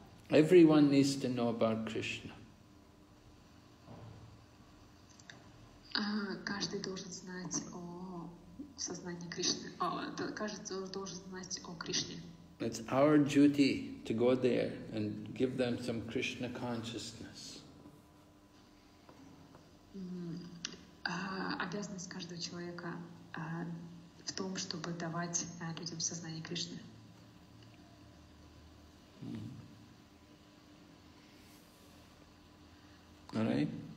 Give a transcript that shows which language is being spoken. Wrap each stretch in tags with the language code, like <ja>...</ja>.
<en>Everyone needs to know about Krishna.</en> <ru>Каждый должен знать о сознании Кришны. Каждый должен знать о Кришне.</ru> <en>It's our duty to go there and give them some Krishna consciousness.</en> <ru>Обязанность каждого человека в том, чтобы давать людям сознание Кришны.</ru> <en>All right.</en>